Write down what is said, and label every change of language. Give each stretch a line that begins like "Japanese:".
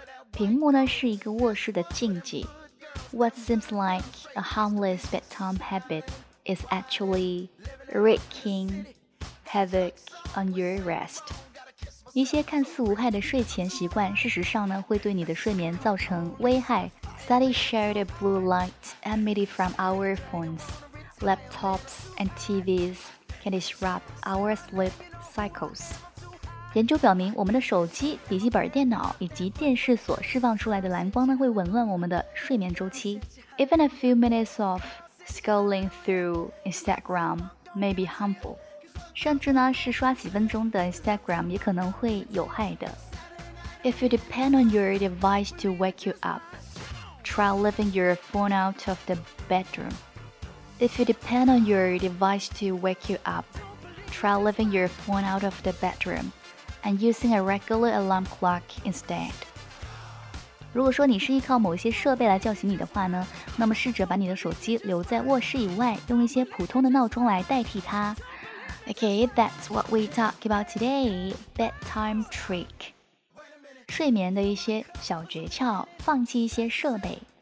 Chinese: 屏幕呢是一个卧室的禁忌。
English: What seems like a harmless bedtime habit is actually wreaking havoc on your rest.
Chinese: 一些看似无害的睡前习惯，事实上呢，会对你的睡眠造成危害。
English: Study shared a blue light emitted from our phones, laptops, and TVs can disrupt our sleep cycles.
Chinese: 研究表明，我们的手机、笔记本电脑以及电视所释放出来的蓝光呢，会紊乱我们的睡眠周期。
English: Even a few minutes of scrolling through Instagram may be harmful.
Chinese: 甚至呢是刷几分钟的 Instagram 也可能会有害的。
English: If you depend on your device to wake you up, try leaving your phone out of the bedroom. If you depend on your device to wake you up, try leaving your phone out of the bedroom and using a regular alarm clock instead.
Chinese: 如果说你是依靠某一些设备来叫醒你的话呢，那么试着把你的手机留在卧室以外，用一些普通的闹钟来代替它。
English: Okay, that's what we talk about today. Bedtime trick.
Chinese: 睡眠的一些小诀窍，放弃一些设备。